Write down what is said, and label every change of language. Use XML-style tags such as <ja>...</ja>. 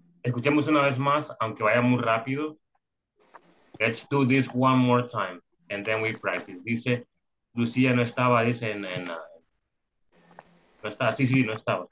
<es>Escuchemos una vez más, aunque vaya muy rápido.</es> <en>Let's do this one more time, and then we practice.</en> <es>Dice, Lucía no estaba, dice, no está, sí, sí, no estaba.</es>